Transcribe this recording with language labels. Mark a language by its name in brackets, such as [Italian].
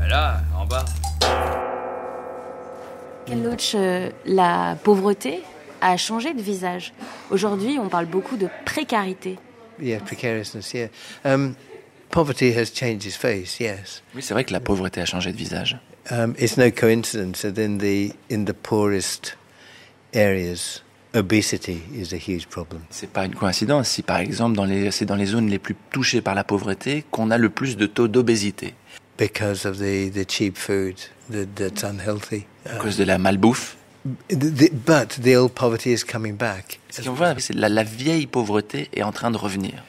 [French] Là, en bas. Ken Loach, la pauvreté a changé de visage. Aujourd'hui, on parle beaucoup de précarité. [English] Yeah, precariousness, yeah. Poverty has changed its face, yes. [French] Oui, c'est vrai que la pauvreté a changé de visage. [English] It's no coincidence that in the poorest areas, obesity is a huge problem. [French] C'est pas une coïncidence si, par exemple, c'est dans les zones les plus touchées par la pauvreté qu'on a le plus de taux d'obésité. [English] Because of the cheap food that's unhealthy. [French] À cause de la malbouffe. [English] But the old poverty is coming back. [French] Ce qu'on voit, c'est la vieille pauvreté est en train de revenir.